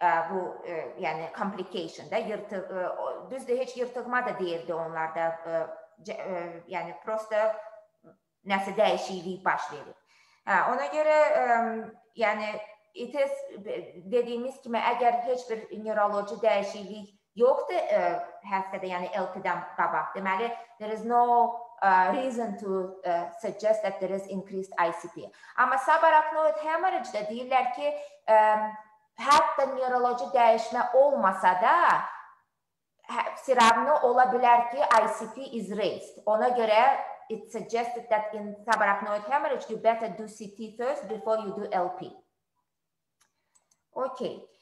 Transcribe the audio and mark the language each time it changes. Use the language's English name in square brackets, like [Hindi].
[Azerbaijani] Bu yəni complication da yırtıq düzdür, heç yırtıqma da deyirdi onlarda. Yəni prosta nəsə dəyişiklik baş verir. Hə, ona görə yəni it is dediyimiz kimi əgər heç bir neuroloji dəyişiklik yoxdur həftədə, yəni LP-dən qabaq. Deməli [English] there is no reason to suggest that there is increased ICP. [Azerbaijani] Amma subarachnoid hemorrhage-də deyirlər ki, hətta neuroloji dəyişmə olmasa da siravni ola bilər ki, [English] ICP is raised. [Azerbaijani] Ona görə [English] it suggested that in subarachnoid hemorrhage you better do CT first before you do LP. Okay.